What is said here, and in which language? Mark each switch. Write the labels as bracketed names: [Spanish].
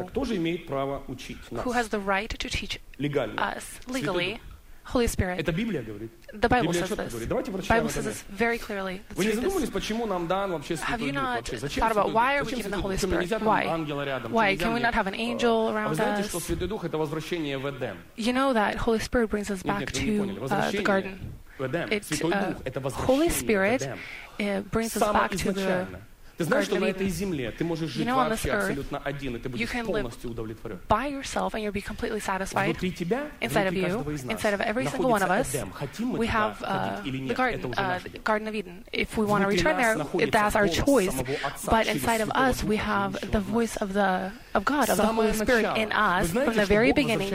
[Russian] Так кто же имеет право учить нас? [English] Who has the right to teach [Russian] легально? [English] Us legally. Holy Spirit. [Russian] Это Библия говорит. [English] The Bible says this. [Russian] Давайте прочитаем. [English] Bible says this very clearly. [Russian] Вы не задумывались, почему нам дан вообще Святой Дух? [English] Have you not thought about why are we given the Holy Spirit? Why? Why can we not have an angel around us? [Russian] Вы знаете, что Святой Дух — это возвращение в Эдем. [English] You know that Holy Spirit brings us back to the garden. Holy Spirit brings us back to the garden. [Russian] Ты знаешь, что на этой земле ты можешь жить вообще абсолютно один, и ты будешь полностью удовлетворен. [English] By yourself and you'll be completely satisfied. [Russian] Внутри тебя, [English] inside of you, inside of every single one of us, we have the Garden of Eden. If we want to return there, that's our choice. But inside of us, we have the voice of the of God, of the Holy Spirit in us from the very beginning.